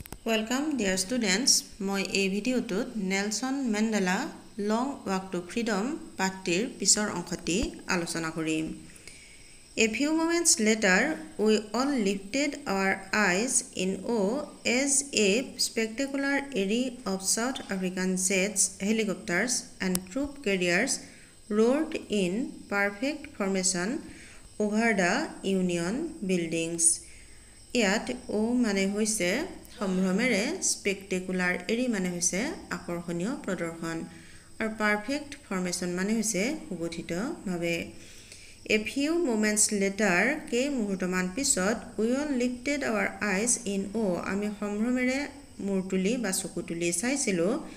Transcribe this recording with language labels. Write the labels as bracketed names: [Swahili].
[English] Welcome dear students, [Assamese] মই এই ভিডিওটোত Nelson Mandela লং walk two freedom পার্টির পিছৰ অংশটি আলোচনা কৰিম। [English] A few moments later, we all lifted our eyes in awe as a spectacular array of South African jets, helicopters and troop carriers roared in perfect formation over the Union buildings. [Assamese] ইয়াত ও মানে হৈছে সম্ভ্ৰমেৰে স্পেক্টেকুলাৰ এৰি মানে হৈছে আকৰ্ষণীয় প্ৰদৰ্শন আৰু perfect formation মানে হৈছে সুগঠিতভাৱে [English] a few moments later [Assamese] কেই মুহূৰ্তমান পিছত [English] we all lifted our eyes in অ' [Assamese] আমি সম্ভ্ৰমেৰে মূৰ তুলি বা চকু তুলি চাইছিলোঁ